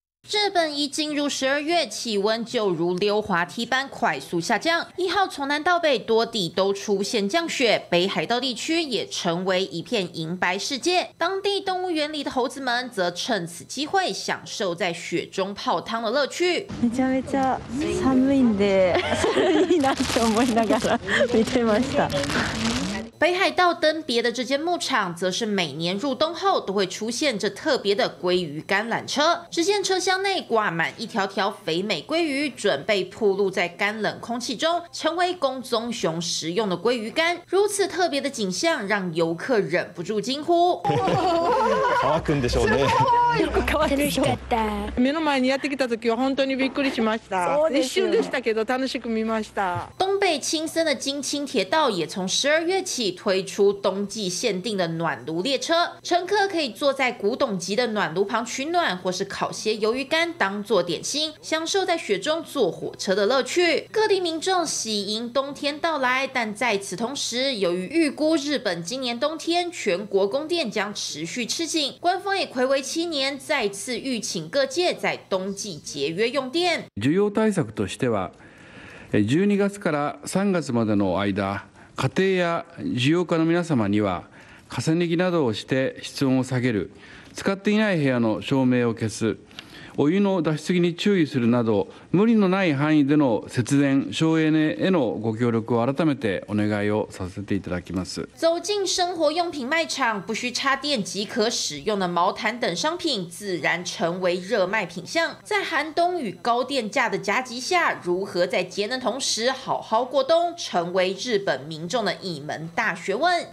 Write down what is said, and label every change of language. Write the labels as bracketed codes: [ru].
[zh] 日本已进入12月，气温就如溜滑梯般快速下降。一号从南到北多地都出现降雪，北海道地区也成为一片银白世界。当地动物园里的猴子们则趁此机会享受在雪中泡汤的乐趣。 [ja] めちゃめちゃ寒いんで、それいいなって思いながら見てました。 [zh] 北海道登别的这间牧场，则是每年入冬后都会出现这特别的鲑鱼橄榄车。只见车厢内挂满一条条肥美鲑鱼，准备曝露在干冷空气中，成为宫宗雄食用的鲑鱼干。如此特别的景象，让游客忍不住惊呼：“ [ja] 乾くんでしょうね。” 楽しかった。目の前にやってきた時は本当にびっくりしました。一瞬でしたけど楽しく見ました。 [zh] 东北青森的京青铁道也从12月起推出冬季限定的暖炉列车，乘客可以坐在古董级的暖炉旁取暖，或是烤些鱿鱼干当做点心，享受在雪中坐火车的乐趣。各地民众喜迎冬天到来，但在此同时，由于预估日本今年冬天全国供电将持续吃紧，官方也暌违7年再次预请各界在冬季节约用电。 [ja] 重要対策としては、12月から3月までの間、家庭や需要家の皆様には重ね着などをして室温を下げる、使っていない部屋の照明を消す、お湯の出し過ぎに注意するなど、無理のない範囲での節電省エネへのご協力を改めてお願いをさせていただきます。 [zh] 走进生活用品卖场，不需插电即可使用的毛毯等商品自然成为热卖品项。在寒冬与高电价的夹击下，如何在节能同时好好过冬，成为日本民众的一门大学问。